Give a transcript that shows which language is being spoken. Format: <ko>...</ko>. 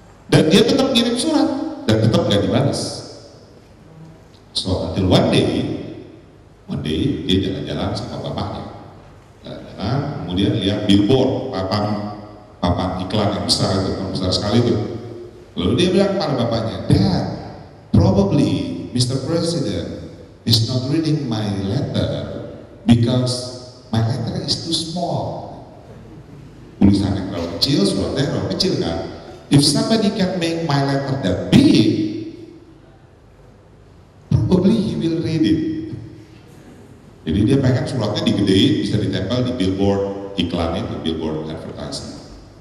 <id>Dan dia tetap kirim surat, dan tetap gak dibalas.</id> <en>So, until one day,</en> <id>dia jalan-jalan sama bapaknya. Jalan-jalan, kemudian lihat billboard, papan iklan yang besar itu, yang besar sekali itu. Lalu dia bilang kepada bapaknya,</id> <en>Dad, probably Mr. President is not reading my letter because my letter is too small.</en> <id>Tulisannya terlalu kecil, suratnya terlalu kecil kan.</id> <en>If somebody can make my letter that big, probably he will read it.</en> <id>Jadi dia pengen suratnya digedein, bisa ditempel di billboard iklannya, di billboard advertising.</id>